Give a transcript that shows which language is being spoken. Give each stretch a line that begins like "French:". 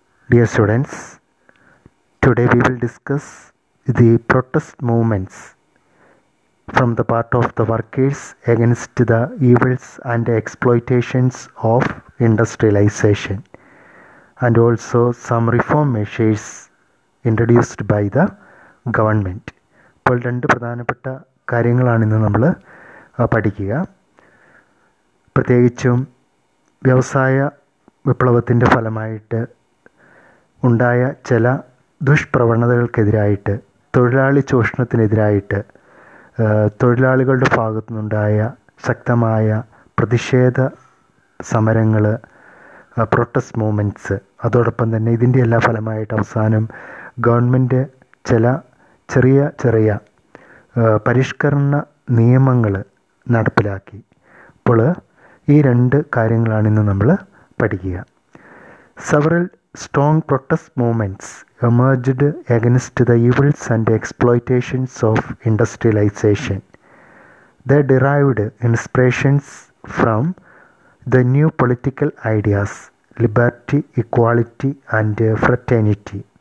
English: Dear students, today we will discuss the protest movements from the part of the workers against the evils and exploitations of industrialization and also some reform measures introduced by the government.
Malayalam: ഇപ്പോൾ രണ്ട് പ്രധാനപ്പെട്ട കാര്യങ്ങളാണിന്ന് നമ്മൾ പഠിക്കുക. പ്രത്യേകിച്ചും വ്യവസായ വിപ്ലവത്തിൻ്റെ ഫലമായിട്ട് ഉണ്ടായ ചില ദുഷ്പ്രവണതകൾക്കെതിരായിട്ട്, തൊഴിലാളി ചൂഷണത്തിനെതിരായിട്ട് തൊഴിലാളികളുടെ ഭാഗത്തു നിന്നുണ്ടായ ശക്തമായ പ്രതിഷേധ സമരങ്ങൾ,
English: protest movements,
Malayalam: അതോടൊപ്പം തന്നെ ഇതിൻ്റെ എല്ലാ ഫലമായിട്ട് അവസാനം ഗവൺമെൻറ് ചില ചെറിയ ചെറിയ പരിഷ്കരണ നിയമങ്ങൾ നടപ്പിലാക്കി. അപ്പോൾ ഈ രണ്ട് കാര്യങ്ങളാണ് ഇന്ന് നമ്മൾ പഠിക്കുക.
English: Several strong protest movements emerged against the evils and exploitations of industrialization. They derived inspirations from the new political ideas, liberty, equality, and fraternity.